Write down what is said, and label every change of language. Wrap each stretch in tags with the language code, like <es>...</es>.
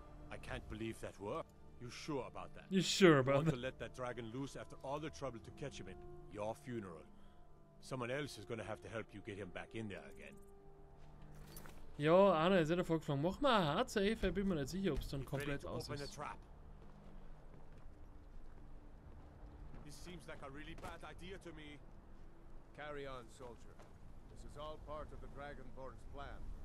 <en>I can't believe that work. You sure about that? You sure about that? Want to let that dragon loose after all the trouble to catch him at your funeral? Someone else is gonna have to help you get him back in there again.</en> <de>Ja, Anna, jetzt hat er vorgeschlagen. Mach mal ein Hard Safe, ich bin mir nicht sicher, ob es dann komplett aus ist.</de> <en>This seems like a really bad idea to me. Carry on, soldier. This is all part of the Dragonborn's plan.</en>